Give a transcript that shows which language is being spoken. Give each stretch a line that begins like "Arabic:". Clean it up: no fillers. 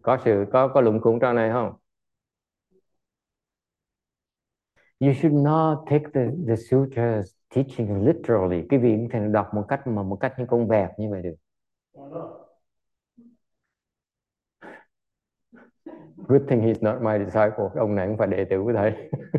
Vietnamese: Có sự có lủng củng trong này không?
English: You should not take the sutras teaching literally.
Vietnamese: Quý vị có thể đọc một cách mà một cách như con vẹt như vậy được.
English: Good thing he's not my disciple.
Vietnamese: Ông này cũng phải đệ tử của thầy.